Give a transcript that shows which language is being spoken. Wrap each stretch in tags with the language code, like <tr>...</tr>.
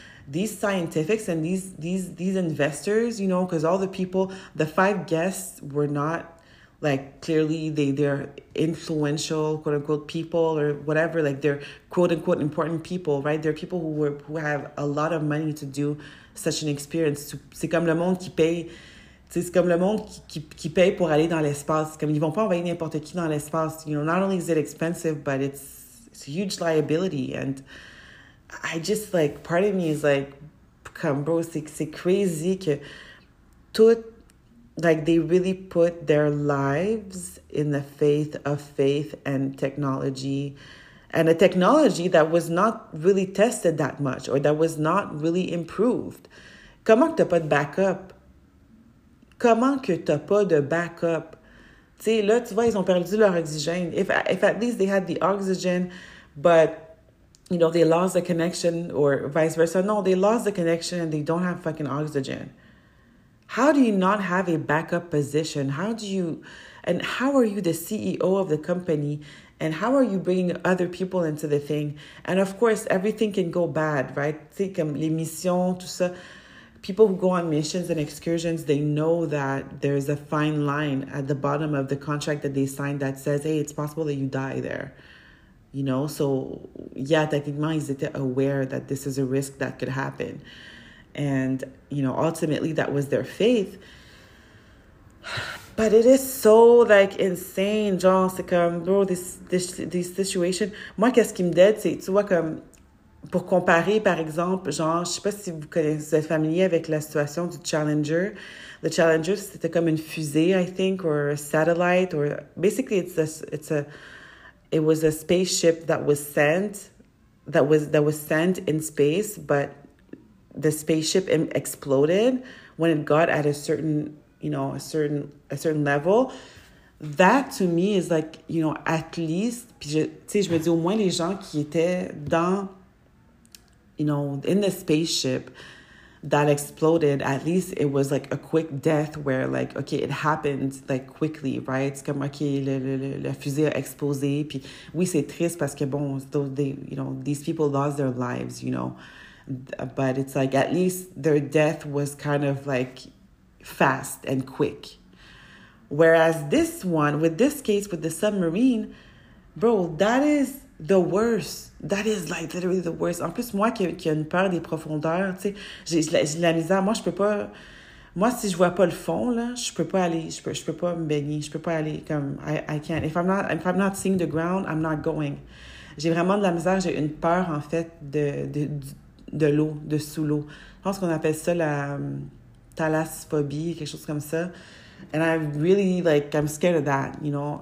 <en>these scientifics and these investors, you know, because all the people, the five guests were not, like, clearly they're influential, quote-unquote, people or whatever, like, they're quote-unquote important people, right? They're people who have a lot of money to do such an experience.</en> <fr>C'est comme le monde qui paye, tu sais, c'est comme le monde qui paye pour aller dans l'espace. Comme, ils vont pas envoyer n'importe qui dans l'espace.</fr> <en>You know, not only is it expensive, but it's a huge liability. And I just, like, part of me is like, come, bro,</en> <fr>c'est crazy que tout,</fr> <en>like, they really put their lives in the faith of faith and technology, and a technology that was not really tested that much or that was not really improved.</en> <fr>Comment que t'as pas de backup? Comment que t'as pas de backup? Tu sais, là, tu vois, ils ont perdu leur oxygène.</fr> <en>If at least they had the oxygen, but... you know, they lost the connection or vice versa. No, they lost the connection and they don't have fucking oxygen. How do you not have a backup position? How do you, and how are you the CEO of the company? And how are you bringing other people into the thing? And of course, everything can go bad, right?</en> <fr>C'est comme les missions, tout ça.</fr> <en>People who go on missions and excursions, they know that there's a fine line at the bottom of the contract that they signed that says, hey, it's possible that you die there. You know, so, yeah,</en> <fr>techniquement, ils étaient</fr> <en>aware that this is a risk that could happen. And, you know, ultimately that was their faith. But it is so, like, insane,</en> <fr>genre, c'est comme,</fr> <en>bro, this situation.</en> <fr>Moi, qu'est-ce qui me dette, c'est, tu vois, comme, pour comparer, par exemple, genre, je sais pas si vous connaissez, vous êtes familier avec la situation du Challenger. Le Challenger, c'était comme une fusée,</fr> <en>I think, or a satellite, or, basically, it was a spaceship that was sent in space, but the spaceship exploded when it got at a certain, you know, a certain level. That to me is like, you know, at least,</en> <fr>puis je, tu sais, je me dis au moins les gens qui étaient dans,</fr> <en>you know, in the spaceship that exploded, at least it was like a quick death where like, okay, it happened like quickly, right? It's comme, okay,</en> <fr>la fusée a explosé, puis oui, c'est triste parce que bon,</fr> <en>they, you know, these people lost their lives, you know, but it's like at least their death was kind of like fast and quick. Whereas this one, with this case, with the submarine, bro, that is the worst. That is like literally the worst.</en> <fr>En plus, moi qui a une peur des profondeurs, tu sais, j'ai la misère. Moi, je peux pas. Moi, si je vois pas le fond, là, je peux pas aller. Je peux pas me baigner. Je peux pas aller comme.</fr> <en>I can't. If I'm not seeing the ground, I'm not going.</en> <fr>J'ai vraiment de la misère. J'ai une peur, en fait, de l'eau, de sous l'eau. Je pense qu'on appelle ça la thalassophobie, quelque chose comme ça.</fr> <en>And I really, like, I'm scared of that, you know.</en>